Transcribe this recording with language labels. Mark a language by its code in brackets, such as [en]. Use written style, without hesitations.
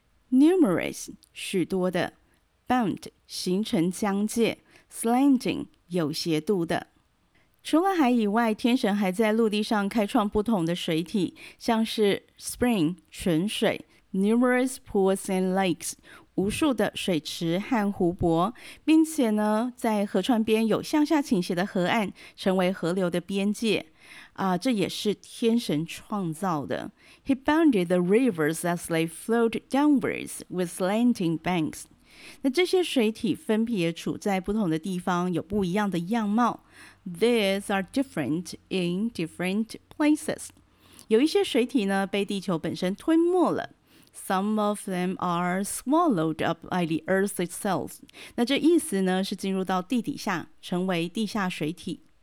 [zh] Numerous, 许多的 bound, 形成疆界 slanting, 有斜度的除了海以外，天神还在陆地上开创不同的水体，像是 spring 泉水 ， [en] numerous pools and lakes [zh] 无数的水池和湖泊，并且呢，在河川边有向下倾斜的河岸，成为河流的边界。这也是天神创造的。 [en] He bounded the rivers as they flowed downwards with slanting banks。 [zh] 那这些水体分别处在不同的地方，有不一样的样貌。 [en] These are different in different places. [zh] 有一些水体呢被地球本身吞没了。 [en] Some of them are swallowed up by the earth itself. [zh] 那这意思呢是进入到地底下，成为地下水体。